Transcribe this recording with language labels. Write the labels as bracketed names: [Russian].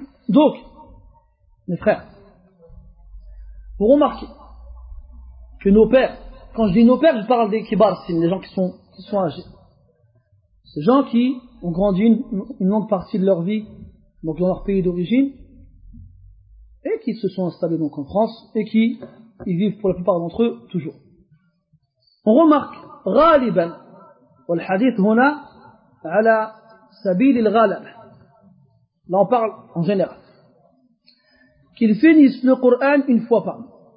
[French] Donc, mes frères, vous remarquez que nos pères, quand je dis nos pères, je parle des kibarsines, les gens qui sont âgés. Ces gens qui ont grandi une longue partie de leur vie donc dans leur pays d'origine et qui se sont installés donc en France et qui y vivent pour la plupart d'entre eux toujours. On remarque [Arabic] غالباً والحديث هنا على سبيل الغالب. [French] Là on parle en général qu'ils finissent le Coran une fois par mois.